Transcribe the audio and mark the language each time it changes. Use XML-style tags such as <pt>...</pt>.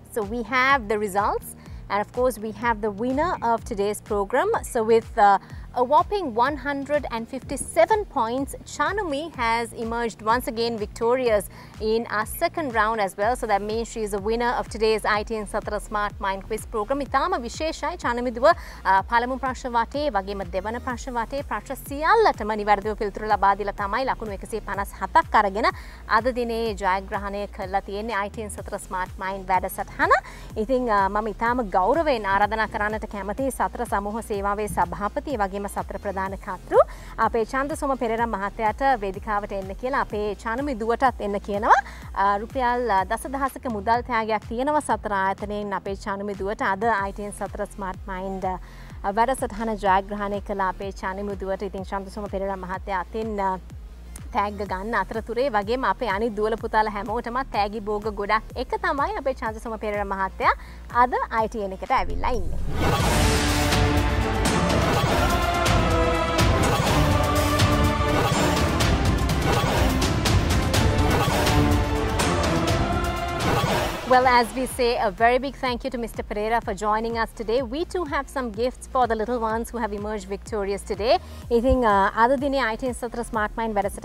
<en>So we have the results and of course we have the winner of today's program. So with a whopping 157 points, Chanumi has emerged once again victorious in our second round as well. So that means she is a winner of today's ITN Satra Smart Mind Quiz program.</en> <si>ඉතාම විශේෂයි Chanumi දුව පළමු ප්‍රශ්න වාටේ වගේම දෙවන ප්‍රශ්න වාටේ ප්‍රශ්න සියල්ලටම නිවැරදිව පිළිතුර ලබා දීලා තමයි ලකුණු 157ක් අරගෙන අද දිනේ ජයග්‍රහණය කරලා තියෙන්නේ ITN Satra Smart Mind වැඩසටහන. ඉතින් මම ඉතාම ගෞරවයෙන් ආරාධනා කරන්නට කැමති සතර සමූහ සේවාවේ සභාපති වගේම එහෙම සතර ප්‍රධාන කතෘ අපේ චන්දසෝම පෙරේරා මහත්තයාට වේදිකාවට එන්න කියලා අපේ චානමි දුවටත් එන්න කියනවා රුපියල් දසදහසක මුදල් තෑගයක් තියෙනවා සතර ආයතනයෙන් අපේ චානමි දුවට අද ITN සතර ස්මාර්ට් මයින්ඩ් වැඩසටහන ජයග්‍රහණය කළා අපේ චානමි දුවට ඉතින් චන්දසෝම පෙරේරා මහත්තයා අතින් තෑග්ග ගන්න අතරතුරේ වගේම අපේ අනිත් දුවල පුතාලා හැමෝටම තෑගි භෝග ගොඩක් එක තමයි අපේ චන්දසෝම පෙරේරා මහත්තයා අද ITN එකට ඇවිල්ලා ඉන්නේ</si> <en>Well, as we say, a very big thank you to Mr. Pereira for joining us today. We too have some gifts for the little ones who have emerged victorious today. I think other than ITN Sathra Smart Mind, where is it?</en>